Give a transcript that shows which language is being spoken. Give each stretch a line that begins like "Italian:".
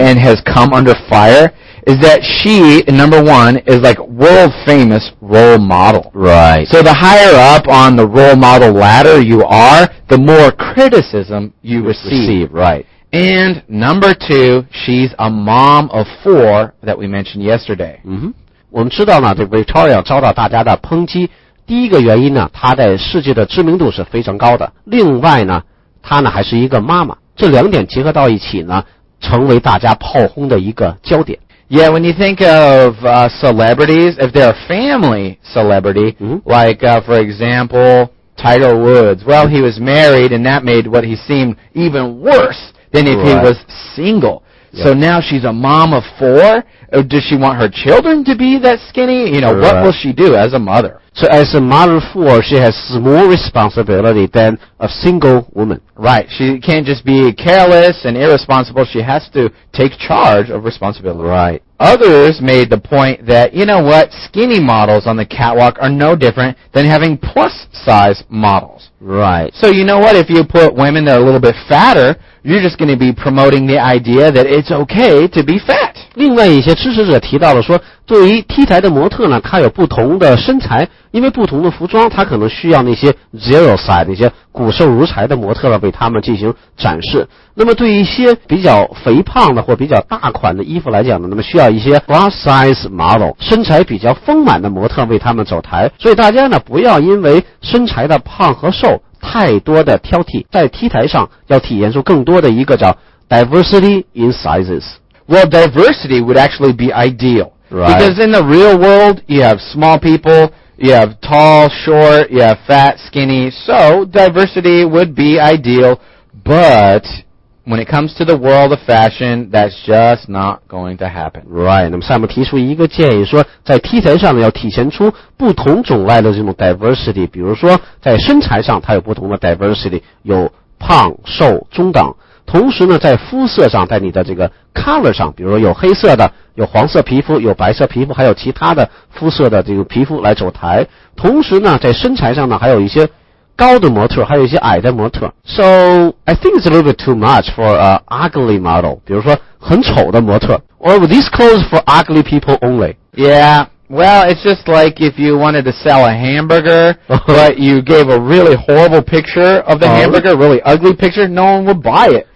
English: and has come under fire is that she, number one, is like world famous role model. Right. So the higher up on the role model ladder you are, the more criticism you receive. Right. And number two, she's a mom of four that we mentioned yesterday.
Chinese: 嗯哼，我们知道呢，这 Victoria 遭到大家的抨击。第一个原因呢，她在世界的知名度是非常高的。另外呢，她呢还是一个妈妈。这两点结合到一起呢，成为大家炮轰的一个焦点。
English: Yeah, when you think of celebrities, if they're a family celebrity,、 mm-hmm. like for example, Tiger Woods, well, he was married, and that made what he seemed even worse. Than if、 right. he was single.、 Yeah. So now she's a mom of four. Does she want her children to be that skinny? You know,、 right. what will she do as a mother? So as a mother of four, she has more responsibility than a single woman. Right. She can't just be careless and irresponsible. She has to take charge of responsibility. Right. Others made the point that, you know what, skinny models on the catwalk are no different than having plus size models. Right. So you know what, if you put women that are a little bit fatter... You're just going to be promoting the idea that it's okay to be fat.
Chinese: 另外一些支持者提到了说，对于 T 台的模特呢，他有不同的身材，因为不同的服装，他可能需要那些
English: zero size
Chinese: 那些骨瘦如柴的模特呢，为他们进行展示。那么对于一些比较肥胖的或比较大款的衣服来讲呢，那么需要一些
English: plus size model
Chinese: 身材比较丰满的模特为他们走台。所以大家呢，不要因为身材的胖和瘦。太多的挑剔，在 T 台上要体现出更多的一个叫
English: diversity in sizes. Well, diversity would actually be ideal. Right. Because in the real world, you have small people, you have tall, short, you have fat, skinny. So, diversity would be ideal. But, when it comes to the world of fashion, that's just not going to happen. Right.
Chinese: 那么上面提出一个建议说，在 T 台上要体现出不同种类的这种 diversity， 比如说在身材上它有不同的 diversity， 有胖瘦中等，同时呢在肤色上，在你的这个 color 上，比如说有黑色的，有黄色皮肤，有白色皮肤，还有其他的肤色的这个皮肤来走台，同时呢在身材上呢还有一些高的模特，还有一些矮的模特。
English: So I think it's a little bit too much for an ugly model，
Chinese: 比如说很丑的模特。
English: Or were these clothes for ugly people only？ Yeah, well it's just like if you wanted to sell a hamburger but you gave a really horrible picture of the hamburger, really ugly picture, no one would buy it.